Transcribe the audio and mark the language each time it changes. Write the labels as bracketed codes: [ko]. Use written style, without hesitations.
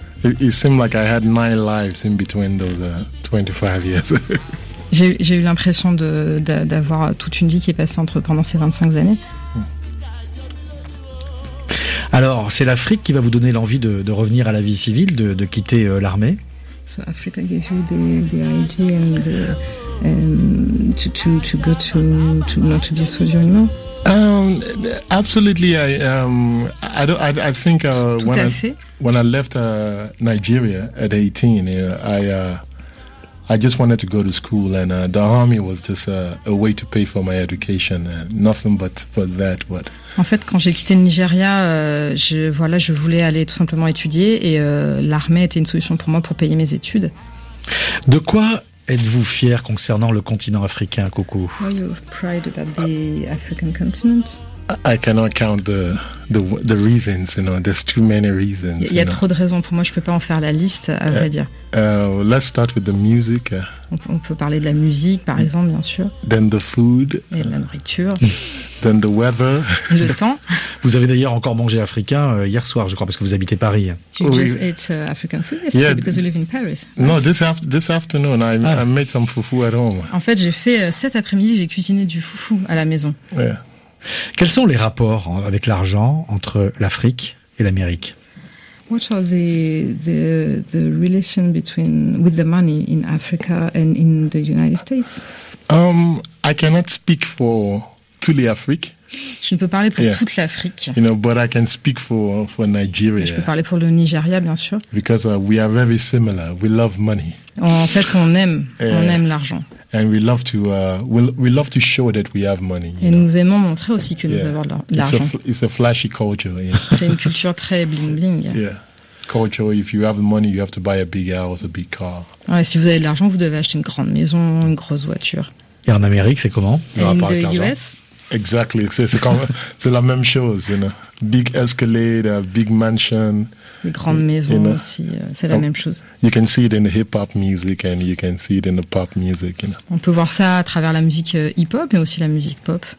[en] It seemed like I had 9 lives in between those 25 years. [fr] J'ai eu l'impression d'avoir toute une vie qui est passée entre pendant ces 25 années. Alors, c'est l'Afrique qui va vous donner l'envie de revenir à la vie civile, de quitter l'armée. [en] So Africa gave you the idea and to go to not to be a soldier anymore? Absolutely. I think when I left Nigeria at 18, you know, I just wanted to go to school, and the army was just a way to pay for my education, and nothing but for that. But [fr] en fait, quand j'ai quitté le Nigeria, je voulais aller tout simplement étudier, et l'armée était une solution pour moi pour payer mes études. De quoi êtes-vous fier concernant le continent africain, Coco? [en] Are you proud about the African continent? I cannot count the reasons, you know. There's too many reasons. [fr] Il y a trop de raisons. Pour moi, je peux pas en faire la liste, à vrai dire. [en] Let's start with the music. [fr] On peut parler de la musique, par exemple, bien sûr. [en] Then the food. [fr] Et la nourriture. [en] Then the weather. [fr] Le temps. Vous avez d'ailleurs encore mangé africain hier soir, je crois, parce que vous habitez Paris. [en] You just ate African food yesterday because you live in Paris. Right? No, this afternoon, I made some fufu at home. [fr] En fait, j'ai fait cet après-midi, j'ai cuisiné du fufu à la maison. [en] Yeah. [fr] Quels sont les rapports avec l'argent entre l'Afrique et l'Amérique? [en] What are the relation between with the money in Africa and in the United States? I cannot speak for [fr] tout l'Afrique. Je ne peux parler pour toute l'Afrique. [en] You know, but I can speak for Nigeria. [fr] Je peux parler pour le Nigeria, bien sûr. [en] Because we are very similar. We love money. [fr] En fait, on aime l'argent. [en] And we love to we love to show that we have money. Et know? [fr] Nous aimons montrer aussi que nous avons l'argent. [en] It's a flashy culture. Yeah. [fr] C'est une culture très bling bling. [en] Yeah, culture. If you have the money, you have to buy a big house, a big car. [fr] Ouais, si vous avez de l'argent, vous devez acheter une grande maison, une grosse voiture. Et en Amérique, c'est comment? [en] In the US. Exactly, [fr] c'est la même chose, [en] you know. Big escalator, big mansion. [fr] Les grandes maisons, [en] you know, [fr] aussi, c'est la même chose. [en] You can see it in the hip-hop music and you can see it in the pop music, you know. [fr] On peut voir ça à travers la musique hip-hop mais aussi la musique pop.